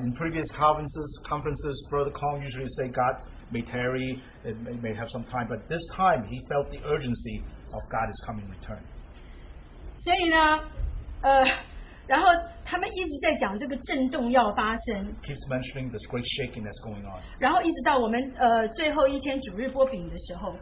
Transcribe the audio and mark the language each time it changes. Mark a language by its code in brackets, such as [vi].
[en] In previous conferences, Brother Kong usually say God may tarry, it may have some time, but this time he felt the urgency of God is coming return. [zh] 所以呢，然后他们一直在讲这个震动要发生 [en] ，keeps mentioning this great shaking that's going on。 [zh] 然后一直到我们最后一天主日擘饼的时候